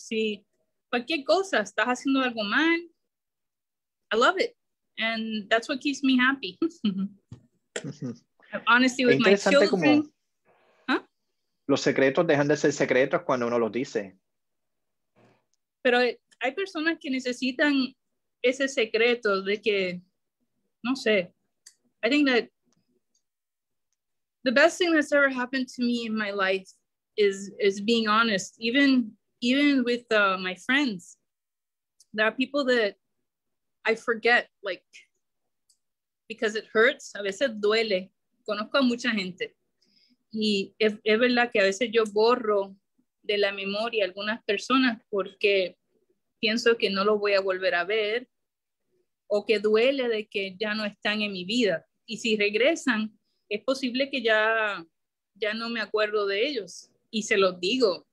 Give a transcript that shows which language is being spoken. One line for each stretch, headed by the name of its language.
Spanish: Si cualquier cosa, estás haciendo algo mal,
English: I love it. And that's what keeps me happy. Honesty with my children. Como,
Spanish: Los secretos dejan de ser secretos cuando uno los dice. Pero hay personas que necesitan ese secreto de que, no sé,
English: I think that the best thing that's ever happened to me in my life is being honest, even with my friends. There are people that I forget, like, because it hurts.
Spanish: A veces duele. Conozco a mucha gente. Y es verdad que a veces yo borro de la memoria algunas personas porque pienso que no lo voy a volver a ver o que duele de que ya no están en mi vida. Y si regresan, es posible que ya no me acuerdo de ellos. Y se los digo.